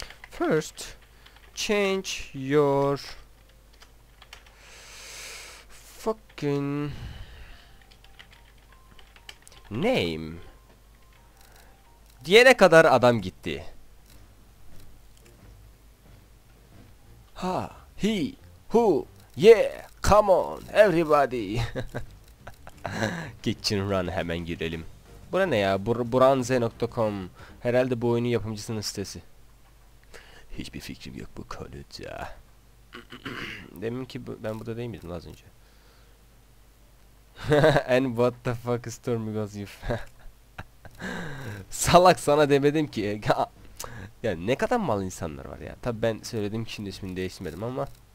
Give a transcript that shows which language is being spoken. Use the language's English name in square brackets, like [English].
[English] First change your fucking name [Turkish] diyene kadar adam gitti. [English] Ha, he, who, yeah, come on, everybody. [Turkish] Kitchen run hemen girelim. Bu ne ya? Buranze.com. Herhalde bu oyunun yapımcısının sitesi. Hiçbir fikrim yok bu konuda. Demin ki ben burada değil miydim az önce? [English] And what the fuck is Stormy Gossip? [Turkish] Salak sana demedim ki. Ya ne kadar mal insanlar var ya. Tabi ben söyledim ki şimdi ismini değiştirmedim ama.